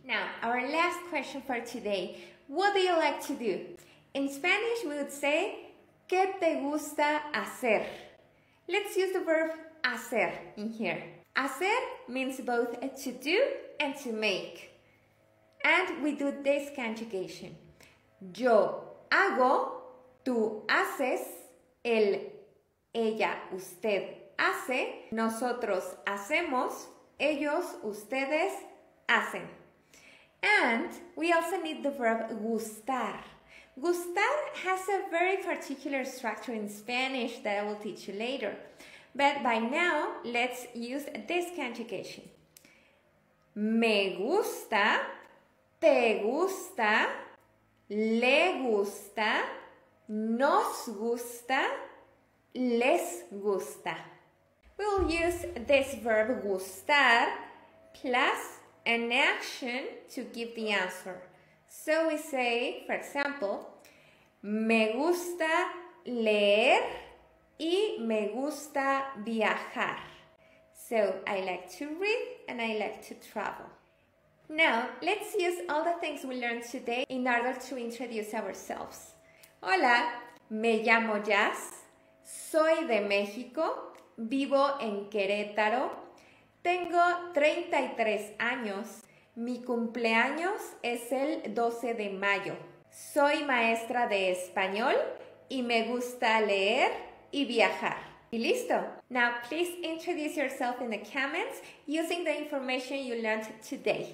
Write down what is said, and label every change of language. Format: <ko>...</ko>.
<en>Now, our last question for today. What do you like to do? In Spanish, we would say,</en> <es>¿qué te gusta hacer?</es> <en>Let's use the verb hacer in here. Hacer means both to do and to make. And we do this conjugation.</en> <es>Yo hago, tú haces, él, ella, usted hace, nosotros hacemos, ellos, ustedes hacen.</es> <en>And we also need the verb gustar. Gustar has a very particular structure in Spanish that I will teach you later. But by now, let's use this conjugation.</en> <es>Me gusta, te gusta, le gusta, nos gusta, les gusta.</es> <en>We'll use this verb gustar plus an action to give the answer. So we say, for example,</en> <es>me gusta leer y me gusta viajar.</es> <en>So I like to read and I like to travel. Now, let's use all the things we learned today in order to introduce ourselves.</en> <es>Hola, me llamo Jazz, soy de México, vivo en Querétaro, tengo 33 años, mi cumpleaños es el 12 de mayo. Soy maestra de español y me gusta leer y viajar. Y listo.</es> <en>Now please introduce yourself in the comments using the information you learned today.</en>